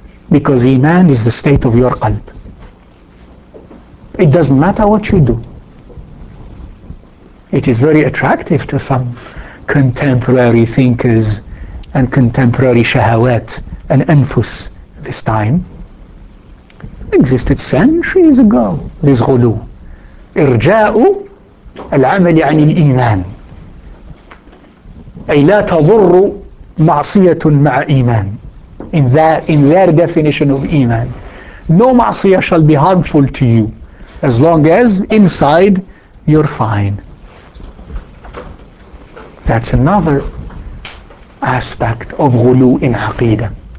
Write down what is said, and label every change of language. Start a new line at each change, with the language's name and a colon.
English: Because iman is the state of your qalb. It doesn't matter what you do. It is very attractive to some contemporary thinkers and contemporary shahawat and anfus this time. It existed centuries ago, this ghulu.
Arabic: إِرْجَاءُ الْعَمَلِ عَنِ الْإِيمَانِ أي لا تضر معصية مع إيمان.
English: In their definition of إيمان, no معصية shall be harmful to you as long as inside you're fine. That's another aspect of غلو in عقيدة.